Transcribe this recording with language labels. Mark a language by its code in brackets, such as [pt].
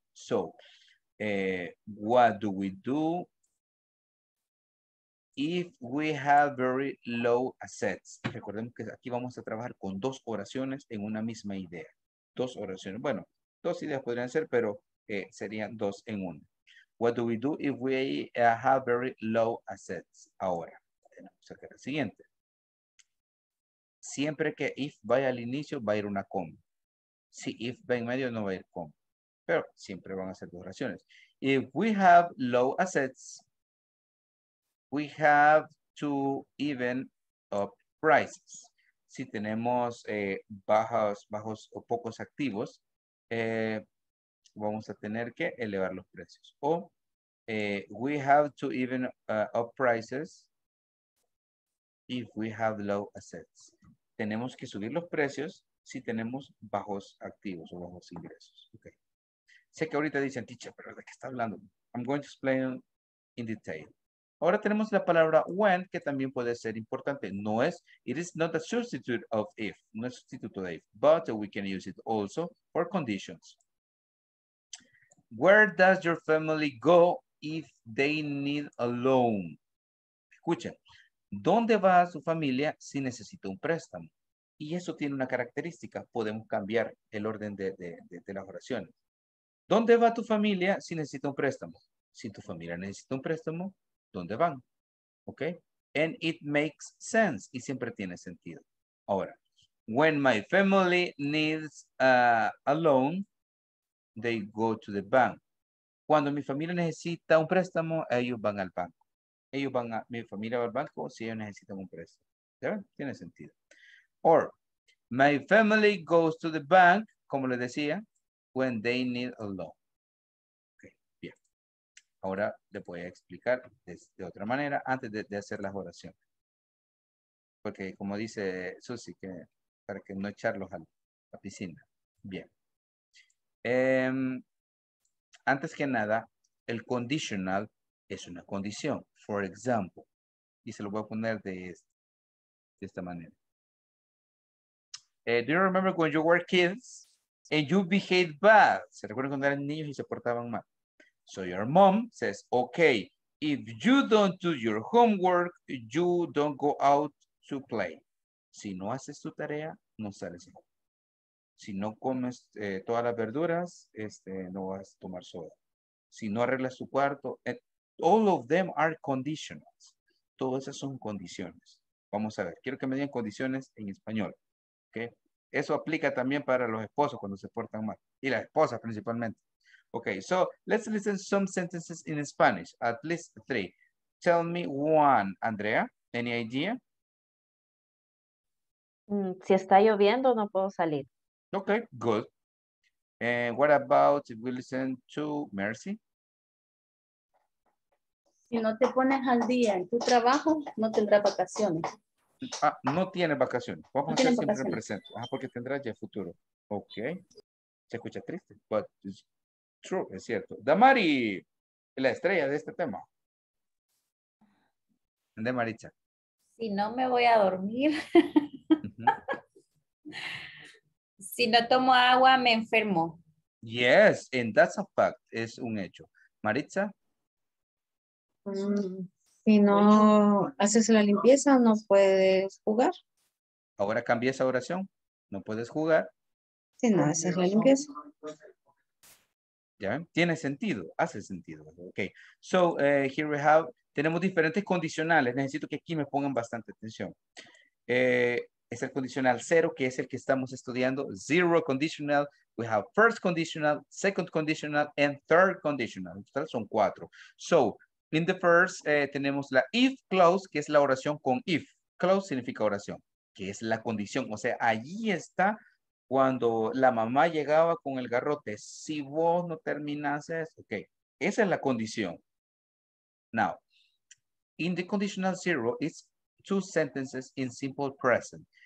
[en] So, what do we do if we have very low assets? [es] Recordemos que aquí vamos a trabajar con dos oraciones en una misma idea. Dos oraciones. Bueno, dos ideas podrían ser, pero serían dos en una. [en] What do we do if we have very low assets? [es] Ahora, vamos a ver el siguiente. Siempre que if vaya al inicio, va a ir una coma. Si if va en medio, no va a ir coma. Pero siempre van a ser dos oraciones. [en] If we have low assets, we have to even up prices. [es] Si tenemos bajos o pocos activos, vamos a tener que elevar los precios. [en] O we have to even up prices if we have low assets. [es] Tenemos que subir los precios si tenemos bajos activos o bajos ingresos. Okay. Sé que ahorita dicen, teacher, pero ¿de qué está hablando? I'm going to explain in detail. Ahora tenemos la palabra when, que también puede ser importante. [en] No es, it is not a substitute of if, no es sustituto de if, but we can use it also for conditions. Where does your family go if they need a loan? [es] Escucha, ¿dónde va su familia si necesita un préstamo? Y eso tiene una característica, podemos cambiar el orden de las oraciones. ¿Dónde va tu familia si necesita un préstamo? Si tu familia necesita un préstamo, ¿dónde van? ¿Ok? And it makes sense, y siempre tiene sentido. [en] Ahora, when my family needs a loan, they go to the bank. [es] Cuando mi familia necesita un préstamo, ellos van al banco. Ellos van a, mi familia va al banco si ellos necesitan un préstamo. [en] ¿Ya ven? Tiene sentido. Or, my family goes to the bank, como les decía, when they need a loan. Okay, bien. [es] Ahora le voy a explicar de otra manera antes de hacer las oraciones. Porque como dice Susy, que para que no echarlos a la piscina. Bien. Antes que nada, el conditional es una condición. For example, y se lo voy a poner de esta manera. [en] Do you remember when you were kids and you behaved bad? [es] ¿Se recuerdan cuando eran niños y se portaban mal? [en] So your mom says, okay, if you don't do your homework, you don't go out to play. [es] Si no haces tu tarea, no sales. Si no comes todas las verduras, no vas a tomar soda. Si no arreglas tu cuarto, all of them are conditionals. Todas esas son condiciones. Vamos a ver, quiero que me digan condiciones en español. Okay. Eso aplica también para los esposos cuando se portan mal. [en] Y las esposas principalmente. Okay, so let's listen some sentences in Spanish. At least three. Tell me one, Andrea. Any idea? [es] Si está lloviendo, no puedo salir. [en] Okay, good. And what about if we listen to Mercy? [es] Si no te pones al día en tu trabajo, no tendrás vacaciones. Ah, no tiene vacaciones. Vamos no a hacer siempre el presente. Ah, porque tendrá ya el futuro. Ok. Se escucha triste, but it's true, es cierto. Damari, la estrella de este tema. ¿De Maritza? Si no me voy a dormir. Si no tomo agua, me enfermo. [en] Yes, and that's a fact. Es un hecho. Maritza. [es] Si no haces la limpieza, no puedes jugar. Ahora cambia esa oración. No puedes jugar. Si no haces la limpieza. ¿Ya ven? Tiene sentido. Hace sentido. Ok. So, here we have. Tenemos diferentes condicionales. Necesito que aquí me pongan bastante atención. Es el condicional cero, que es el que estamos estudiando. [en] Zero conditional. We have first conditional, second conditional, and third conditional. [es] En total son cuatro. So, in the first, tenemos la if clause, que es la oración con if. Clause significa oración, que es la condición. O sea, allí está cuando la mamá llegaba con el garrote. Si vos no terminases, ok. Esa es la condición. [en] Now, in the conditional zero, it's two sentences in simple present.